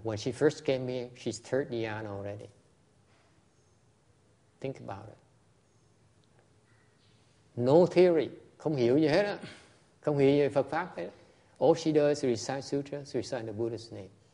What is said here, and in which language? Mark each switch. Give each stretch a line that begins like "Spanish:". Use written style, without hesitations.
English: When she first came here, she's third dhyana already. Think about it. No theory,
Vietnamese: không hiểu gì hết á. Không hiểu gì Phật pháp hết.
English: All she does is recite sutras, recite the Buddha's name.